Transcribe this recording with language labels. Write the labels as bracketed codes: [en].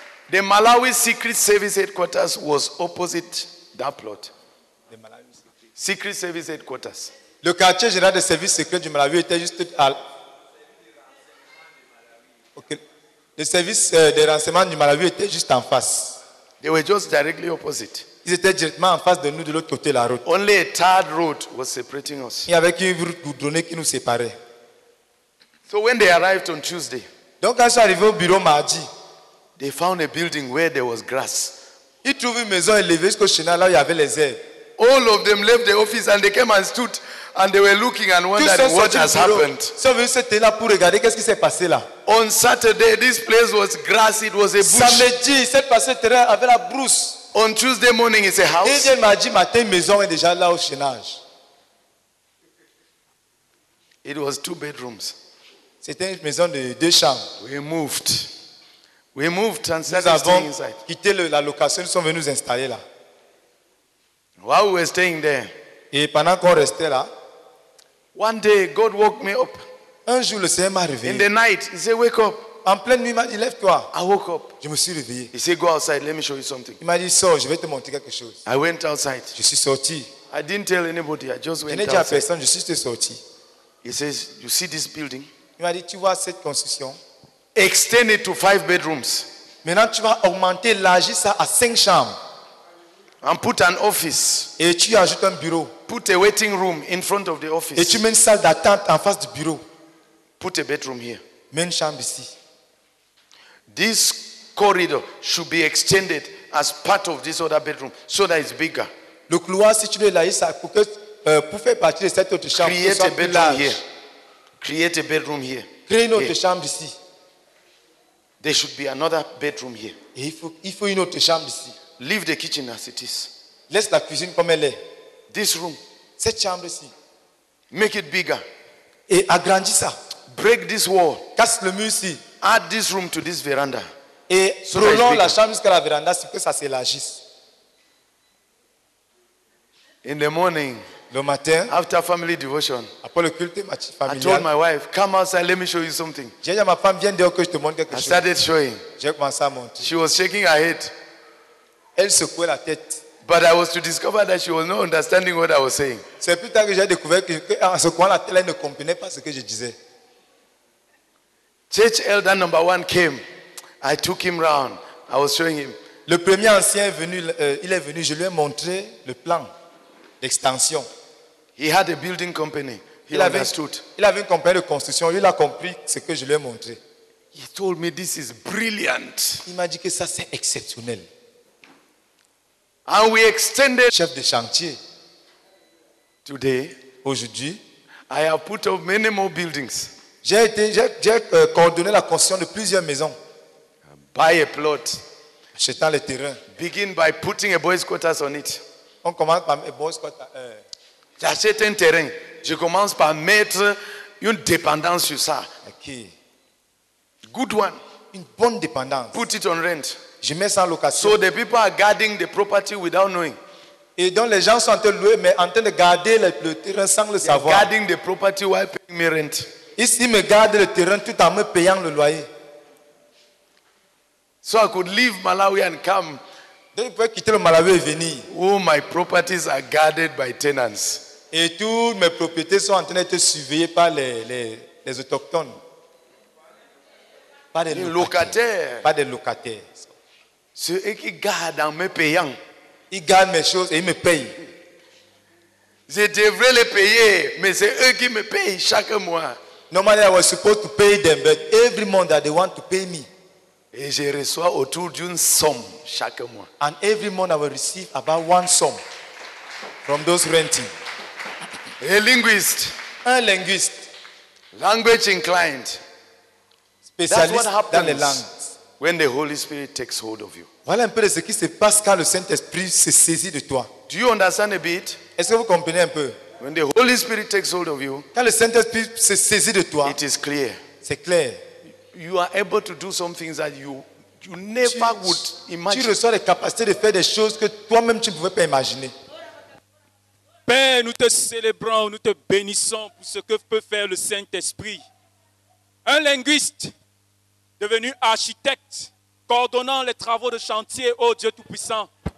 [en] The Malawi Secret Service Headquarters was opposite that plot. The Malawi Secret Service Headquarters. [fr] Le quartier général des services secrets du Malawi était juste à. Okay. Le service des renseignements du Malawi était juste en face. [en] They were just directly opposite. [fr] Ils étaient directement en face de nous de l'autre côté de la route. [en] Only a tarred road was separating us. [fr] Il y avait une route goudronnée qui nous séparait. [en] So when they arrived on Tuesday. [fr] Donc quand ils sont arrivés au bureau mardi. [en] They found a building where there was grass. [fr] Ils trouvaient une maison élevée jusqu'au chenal là où il y avait les herbes. [en] All of them left the office and they came and stood and they were looking and wondering what has happened. [fr] Ils sont venus s'étaient là pour regarder qu'est-ce qui s'est passé là. [en] On Saturday, this place was grass. It was a bush. [fr] Samedi, cette passée terrain avait la brousse. [en] On Tuesday morning, it's a house. [fr] Et lundi matin, maison est déjà là au chenage. [en] It was two bedrooms. [fr] C'était une maison de deux chambres. [en] We moved. We moved and started staying inside. [fr] Nous avons quitté la location, nous sommes venus nous installer là. [en] While we were staying there, [fr] et pendant qu'on restait là, [en] one day God woke me up. [fr] Un jour le Seigneur m'a réveillé. [en] In the night, he said, "Wake up." [fr] En pleine nuit, il m'a dit, "Lève-toi." [en] I woke up. [fr] Je me suis réveillé. [en] He said, "Go outside. Let me show you something." [fr] Il m'a dit, "Sors, je vais te montrer quelque chose." [en] I went outside. [fr] Je suis sorti. [en] I didn't tell anybody. I just went outside. [fr] Je n'ai dit à personne. Je suis juste sorti. [en] He says, "You see this building?" [fr] Il m'a dit, "Tu vois cette construction?" [en] Extend it to 5 bedrooms. [fr] Maintenant, tu vas augmenter, élargir ça à 5 chambres. [en] And put an office. [fr] Et tu ajoutes un bureau. [en] Put a waiting room in front of the office. [fr] Et tu mets une salle d'attente en face du bureau. [en] Put a bedroom here. [fr] Mets une chambre ici. [en] This corridor should be extended as part of this other bedroom so that it's bigger. [fr] Le couloir, si tu veux élargir ça, pour faire partie de cette autre chambre, [en] create [fr] pour [en] a bedroom [fr] large. [en] Here. Create a bedroom here. [fr] Crée une autre here. Chambre ici. [en] There should be another bedroom here. [fr] Et il faut une autre chambre ici. [en] Leave the kitchen as it is. [fr] Laisse la cuisine comme elle est. [en] This room. [fr] Cette chambre ici. [en] Make it bigger. [fr] Et agrandis ça. [en] Break this wall. [fr] Casse le mur ici. [en] Add this room to this veranda. [fr] Et so prolonge la chambre jusqu'à la veranda, c'est que ça s'élargisse. [en] In the morning, [fr] le matin, [en] after family devotion, [fr] après le culte familial, [en] I told my wife, come outside, let me show you something. [fr] J'ai dit à ma femme, viens dehors que je te montre quelque chose. [en] I started showing. [fr] J'ai commencé à montrer. [en] She was shaking her head. [fr] Elle secouait la tête. [en] But I was to discover that she was not understanding what I was saying. [fr] C'est plus tard que j'ai découvert que en secouant la tête, elle ne comprenait pas ce que je disais. [en] Church elder number one came. I took him round. I was showing him. [fr] Le premier ancien est venu, il est venu, je lui ai montré le plan d'extension. [en] He had a building company. He understood. [fr] Il avait une compagnie de construction. Il a compris ce que je lui ai montré. [en] He told me this is brilliant. [fr] Il m'a dit que ça c'est exceptionnel. [en] And we extended. [fr] Chef de chantier. [en] Today, [fr] aujourd'hui, [en] I have put up many more buildings. [fr] J'ai coordonné la construction de plusieurs maisons. [en] Buy a plot. [fr] Achetant le terrain. [en] Begin by putting a boys' quarters on it. [fr] On commence par un boys' quarters. J'achète un terrain. Je commence par mettre une dépendance sur ça. [en] Ok. Good one. [fr] Une bonne dépendance. [en] Put it on rent. [fr] Je mets ça en location. [en] So the people are guarding the property without knowing. [fr] Et donc les gens sont en train de louer, mais en train de garder le terrain sans le savoir. [en] They're guarding the property while paying me rent. [fr] Ici, me garde le terrain tout en me payant le loyer. [en] So I could leave Malawi and come. [fr] Donc, je pouvais quitter le Malawi et venir. [en] Oh, my properties are guarded by tenants. [fr] Et toutes mes propriétés sont en train d'être surveillées par les autochtones. Pas des locataires. Pas des locataires. Ceux qui gardent en me payant. Ils gardent mes choses et ils me payent. Je devrais les payer, mais c'est eux qui me payent chaque mois. [en] Normally, I was supposed to pay them, but every month that they want to pay me. [fr] Et je reçois autour d'une somme chaque mois. [en] And every month, I will receive about one sum from those renting. A linguist. [fr] Un linguiste. [en] Language inclined. [fr] Spécialiste dans les langues. [en] When the Holy Spirit takes hold of you. [fr] Voilà un peu de ce qui se passe quand le Saint-Esprit se saisit de toi. [en] Do you understand a bit? [fr] Est-ce que vous comprenez un peu? [en] When the Holy Spirit takes hold of you, [fr] quand le Saint-Esprit se saisit de toi, [en] it is clear. [fr] C'est clair. [en] You are able to do some things that you never would imagine. [fr] Tu reçois les capacités de faire des choses que toi-même tu ne pouvais pas imaginer. Père, nous te célébrons, nous te bénissons pour ce que peut faire le Saint-Esprit. Un linguiste devenu architecte, coordonnant les travaux de chantier, ô Dieu Tout-Puissant.